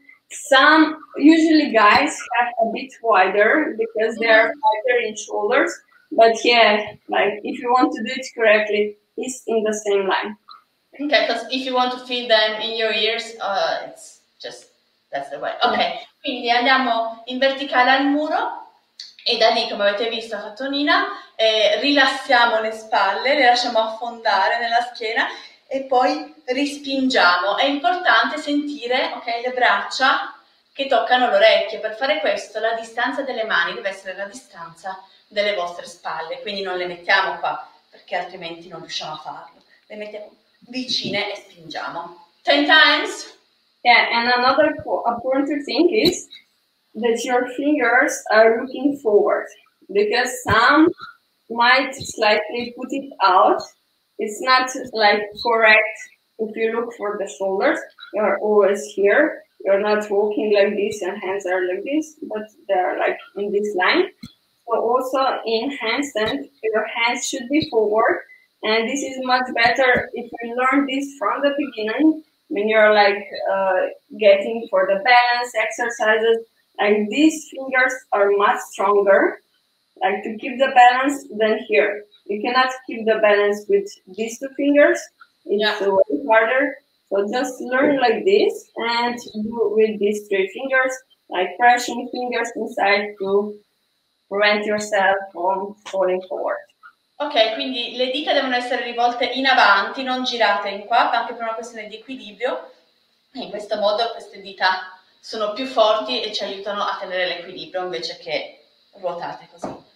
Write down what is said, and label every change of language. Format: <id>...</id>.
<en>Some usually guys have a bit wider because they are wider in shoulders. But yeah, like if you want to do it correctly, it's in the same line. Okay, because if you want to feel them in your ears, it's just that's the way.</en> <it>Okay. Yeah. Quindi andiamo in verticale al muro. E da lì, come avete visto, ha fatto Nina, rilassiamo le spalle, le lasciamo affondare nella schiena e poi rispingiamo. È importante sentire, okay, le braccia che toccano le orecchie. Per fare questo, la distanza delle mani deve essere la distanza delle vostre spalle. Quindi non le mettiamo qua, perché altrimenti non riusciamo a farlo. Le mettiamo vicine e spingiamo.</it> <en>10 times. Yeah, and another important thing is that your fingers are looking forward, because some might slightly put it out. It's not like correct if you look for the shoulders. You are always here. You're not walking like this and hands are like this, but they're like in this line. So also in handstand, your hands should be forward. And this is much better if you learn this from the beginning, when you're like getting for the balance exercises. And these fingers are much stronger, like to keep the balance than here. You cannot keep the balance with these two fingers. It's way harder. So just learn like this and do with these three fingers, like pressing fingers inside to prevent yourself from falling forward.</en> <it>Okay, quindi le dita devono essere rivolte in avanti, non girate in qua, anche per una questione di equilibrio. In questo modo queste dita sono più forti e ci aiutano a tenere l'equilibrio invece che ruotate così.</it>